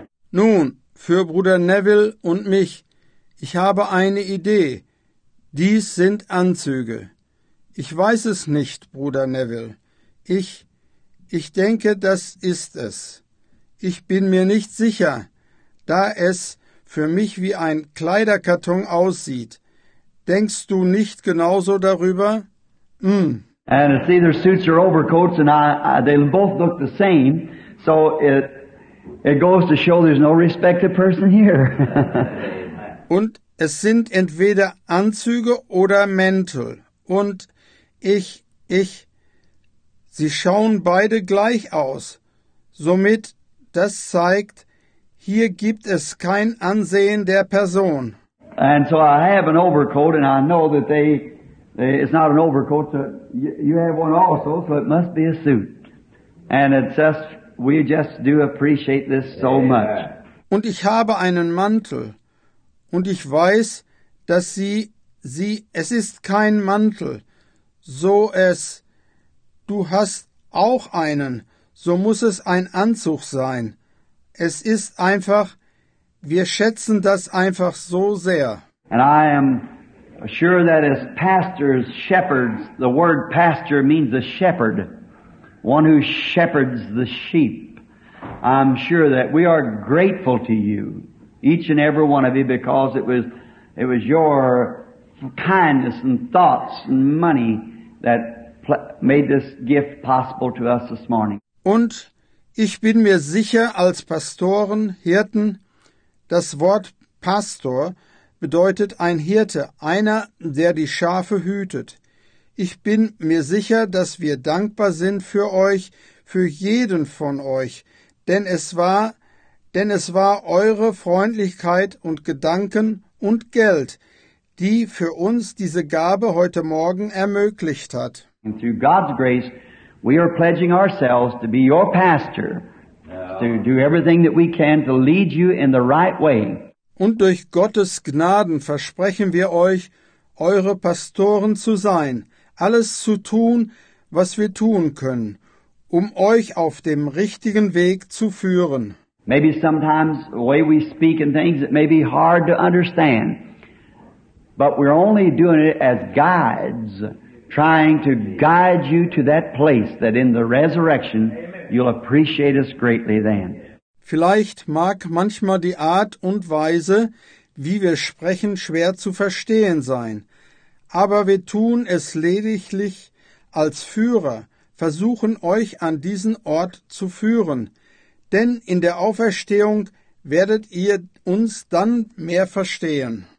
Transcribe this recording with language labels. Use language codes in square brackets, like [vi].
[de] Nun, für Bruder Neville und mich, ich habe eine Idee. Dies sind Anzüge. Ich weiß es nicht, Bruder Neville. Ich denke, das ist es. Ich bin mir nicht sicher, da es für mich wie ein Kleiderkarton aussieht. Denkst du nicht genauso darüber? [en] And it's either suits or overcoats, and they both look the same. So it goes to show there's no respected person here. [de] Und Es sind entweder Anzüge oder Mäntel. Und sie schauen beide gleich aus. Somit, das zeigt, hier gibt es kein Ansehen der Person. [en] And so I have an overcoat and I know that it's not an overcoat, so you have one also, so it must be a suit. And it's just, we just do appreciate this so much. [de] Und ich habe einen Mantel. Und ich weiß, dass sie, es ist kein Mantel. So es, du hast auch einen, so muss es ein Anzug sein. Es ist einfach, wir schätzen das einfach so sehr. [en] And I am sure that as pastors, shepherds, the word pastor means a shepherd, one who shepherds the sheep. I'm sure that we are grateful to you. Each and every one of you, because it was your kindness and thoughts and money that made this gift possible to us this morning. [de] Und ich bin mir sicher, als Pastoren, Hirten, das Wort Pastor bedeutet ein Hirte, einer, der die Schafe hütet. Ich bin mir sicher, dass wir dankbar sind für euch, für jeden von euch, denn es war eure Freundlichkeit und Gedanken und Geld, die für uns diese Gabe heute Morgen ermöglicht hat. [en] And through God's grace, we are pledging ourselves to be your pastor, to do everything that we can to lead you in the right way. [de] Und durch Gottes Gnaden versprechen wir euch, eure Pastoren zu sein, alles zu tun, was wir tun können, um euch auf dem richtigen Weg zu führen. [en] Maybe sometimes the way we speak and things, it may be hard to understand. But we're only doing it as guides, trying to guide you to that place that in the resurrection you'll appreciate us greatly then. [de] Vielleicht mag manchmal die Art und Weise, wie wir sprechen, schwer zu verstehen sein. Aber wir tun es lediglich als Führer, versuchen euch an diesen Ort zu führen. Denn in der Auferstehung werdet ihr uns dann mehr verstehen.